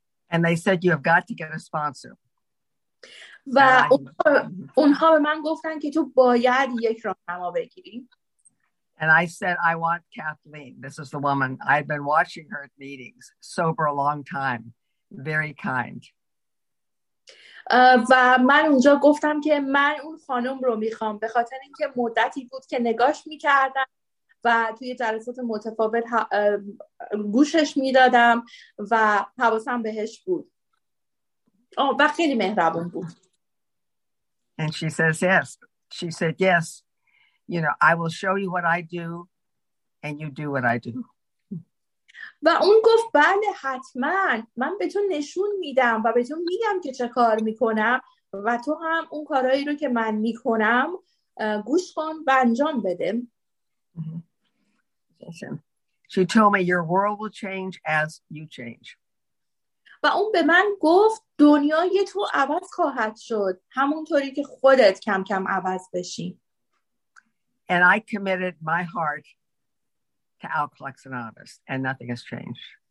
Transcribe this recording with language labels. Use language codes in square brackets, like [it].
[en] And they said you have got to get a sponsor. [fa] و اونها به من گفتن که تو باید یک راهنما بگیری. [en] And I said, I want Kathleen. This is the woman. I had been watching her at meetings, sober a long time. Very kind. [fa] و من اونجا گفتم که من اون خانم رو میخوام به خاطر اینکه مدتی بود که نگاش میکردم و توی جلسات متفاوت گوشش میدادم و حواسم بهش بود. و خیلی مهربون بود. [en] And she says yes. She said yes. You know, I will show you what I do and you do what I do. [fa] و اون گفت بله حتما من به تو نشون میدم و به تو میگم که چه کار میکنم و تو هم اون کارهایی رو که من میکنم گوش کن و انجام بده. [en] She told me your world will change as you change. [fa] و اون به من گفت دنیای تو عوض خواهد شد همونطوری که خودت کم کم عوض بشی. [en] And I committed my heart to Alcoholics Anonymous, and nothing has changed.